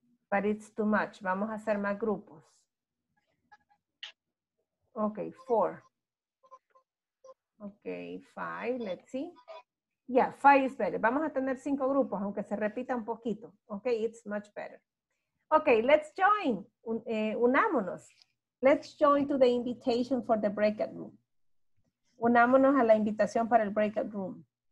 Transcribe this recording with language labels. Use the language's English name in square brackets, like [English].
[English] But it's too much. [Spanish] Vamos a hacer más grupos. [English] Okay, 4. Okay, 5. Let's see. Yeah, 5 is better. [Spanish] Vamos a tener 5 grupos, aunque se repita un poquito. [English] Okay, it's much better. Okay, let's join. [Spanish] Unámonos. [English] Let's join to the invitation for the breakout room. [Spanish] Unámonos a la invitación para el breakout room.